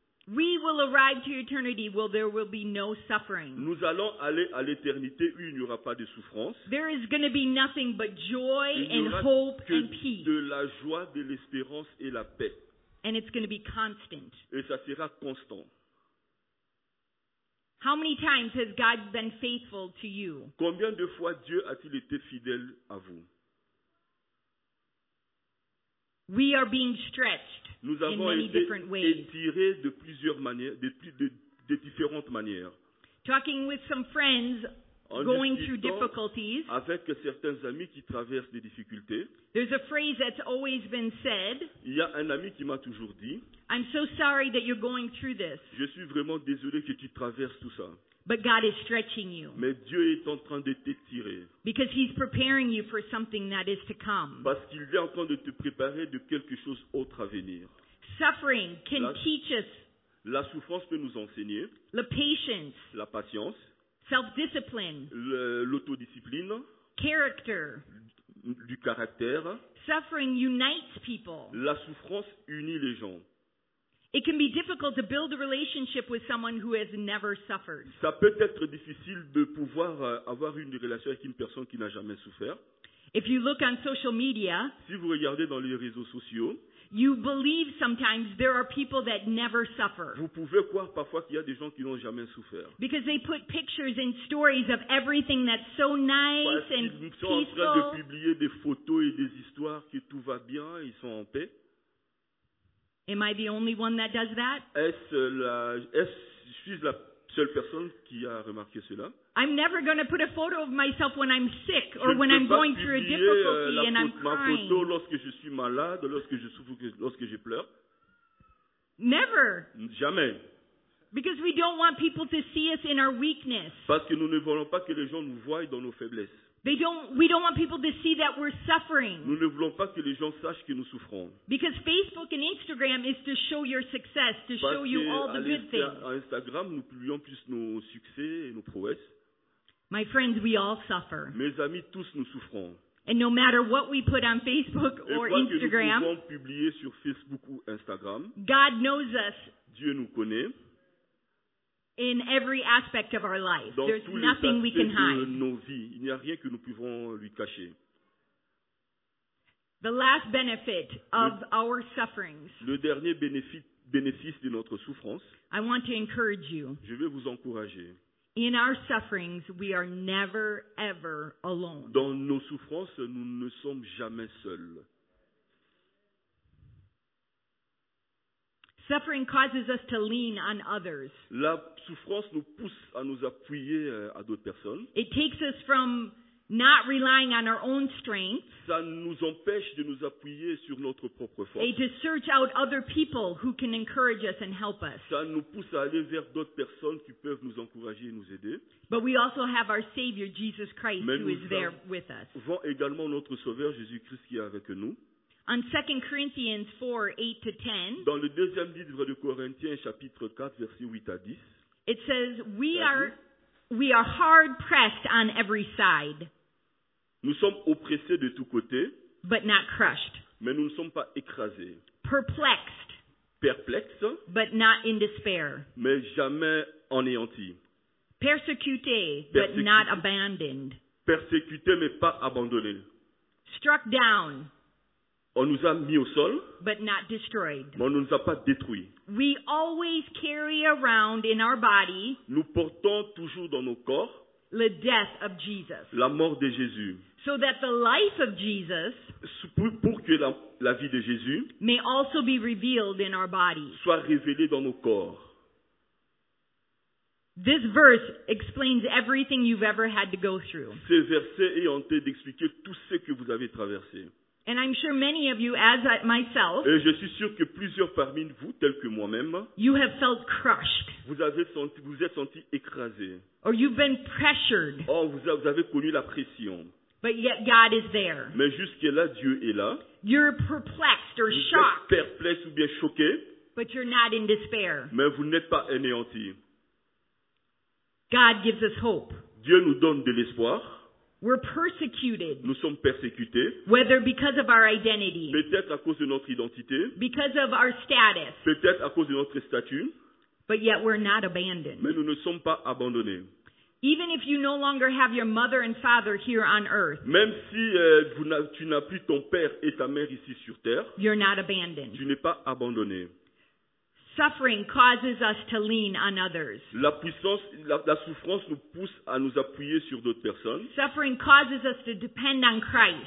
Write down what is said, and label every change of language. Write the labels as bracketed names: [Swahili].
[English] We will arrive to eternity where there will be no suffering. [French] Nous allons aller à l'éternité où il n'y aura pas de souffrance. [English] There is going to be nothing but joy and hope and peace. [French] De la joie, de l'espérance et la paix. [English] And it's going to be constant. [French] Et ça sera constant. [English] How many times has God been faithful to you? [French] Combien de fois Dieu a-t-il été fidèle à vous? [English] We are being stretched [French] nous avons [English] in many [French] été [English] different ways. [French] Étirés de plusieurs manières, de différentes manières. [English] Talking with some friends [French] en [English] going through difficulties. [French] Avec certains amis qui traversent des difficultés. [English] There's a phrase that's always been said. [French] Il y a un ami qui m'a toujours dit. [English] I'm so sorry that you're going through this. [French] Je suis vraiment désolé que tu traverses tout ça. [English] But God is stretching you. [French] Mais Dieu est en train de t'étirer. [English] Because he's preparing you for something that is to come. [French] Parce qu'il est en train de te préparer de quelque chose autre à venir. [English] Suffering can teach us. [French] La souffrance peut nous enseigner. [English] The patience. [French] La patience. [English] Self-discipline. [French] L'autodiscipline. [English] Character. [French] Du caractère. [English] Suffering unites people. [French] La souffrance unit les gens. [English] It can be difficult to build a relationship with someone who has never suffered. [French] Ça peut être difficile de pouvoir avoir une relation avec une personne qui n'a jamais souffert. [English] If you look on social media, [French] si vous regardez dans les réseaux sociaux, [English] you believe sometimes there are people that never suffer. [French] Vous pouvez croire parfois qu'il y a des gens qui n'ont jamais souffert. [English] Because they put pictures and stories of everything that's so nice and peaceful. [French] Parce qu'ils sont en train de publier des photos et des histoires que tout va bien, ils sont en paix. [English] Am I the only one that does that? [French] Suis-je la seule personne qui a remarqué cela? [English] I'm never going to put a photo of myself when I'm sick or when I'm going through a difficulty and I'm crying. [French] Ma photo lorsque je suis malade, lorsque je souffre, lorsque je pleure. [English] Never. [French] Jamais. [English] Because we don't want people to see us in our weakness. [French] Parce que nous ne voulons pas que les gens nous voient dans nos faiblesses. [English] We don't want people to see that we're suffering. [French] Nous ne voulons pas que les gens sachent que nous souffrons. [English] Because Facebook and Instagram is to show your success, to show you all the good things. [French] Parce qu'à Instagram, nous publions plus nos succès et nos prouesses. [English] My friends, we all suffer. [French] Mes amis, tous nous souffrons. [English] And no matter what we put on Facebook or Instagram, [French] nous pouvons publier sur Facebook ou Instagram, [English] God knows us. [French] Dieu nous connaît. [English] In every aspect of our life, [French] dans [English] there's nothing we can hide. [French] Nos vies, il n'y a rien que nous pouvons lui cacher. [English] The last benefit of our sufferings. [French] Le dernier bénéfice de notre souffrance. [English] I want to encourage you. [French] Je vais vous encourager. [English] In our sufferings, we are never ever alone. [French] Dans nos souffrances, nous ne sommes jamais seuls. [English] Suffering causes us to lean on others. [French] La souffrance nous pousse à nous appuyer à d'autres personnes. [English] It takes us from not relying on our own strength. [French] Ça nous empêche de nous appuyer sur notre propre force. [English] And to search out other people who can encourage us and help us. [French] Ça nous pousse à aller vers d'autres personnes qui peuvent nous encourager et nous aider. [English] But we also have our Savior Jesus Christ who is there with us. [French] Nous avons également notre Sauveur Jésus-Christ qui est avec nous. [English] On 2 Corinthians 4, 8 to 10. [French] Dans le deuxième livre de Corinthiens, chapitre 4, versets 8 à 10. [English] It says, we are hard pressed on every side. [French] Nous sommes oppressés de tous côtés. [English] But not crushed. [French] Mais nous ne sommes pas écrasés. [English] Perplexed. [French] Perplexes. [English] But not in despair. [French] Mais jamais anéantis. Persécutés, [English] but not abandoned. [French] Persécutés, mais pas abandonnés. [English] Struck down. [French] On nous a mis au sol, [English] but not destroyed. [French] Mais on ne nous a pas détruits. [English] We always carry around in our body, [French] nous portons toujours dans nos corps, [English] the death of Jesus, [French] la mort de Jésus, [English] so that the life of Jesus, [French] pour que la vie de Jésus, [English] may also be revealed in our body, [French] soit révélée dans nos corps. [English] This verse explains everything you've ever had to go through. [French] Ce verset est en train d'expliquer tout ce que vous avez traversé. [English] And I'm sure many of you, as myself, [French] et je suis sûr que plusieurs parmi vous, tels que moi-même, [English] you have felt crushed. [French] Vous êtes senti écrasé. [English] Or you've been pressured. [French] Oh, vous avez connu la pression. [English] But yet God is there. [French] Mais jusque-là, Dieu est là. [English] You're perplexed or shocked. [French] Vous êtes perplexe ou bien choqué. [English] But you're not in despair. [French] Mais vous n'êtes pas anéanti. [English] God gives us hope. [French] Dieu nous donne de l'espoir. [English] We're persecuted. [French] Nous sommes persécutés. [English] Whether because of our identity. [French] Peut-être à cause de notre identité. [English] Because of our status. [French] Peut-être à cause de notre statut. [English] But yet we're not abandoned. [French] Mais nous ne sommes pas abandonnés. [English] Even if you no longer have your mother and father here on earth. [French] Même si tu n'as plus ton père et ta mère ici sur terre. [English] You're not abandoned. [French] Tu n'es pas abandonné. [English] Suffering causes us to lean on others. [French] La souffrance nous pousse à nous appuyer sur d'autres personnes. [English] Suffering causes us to depend on Christ.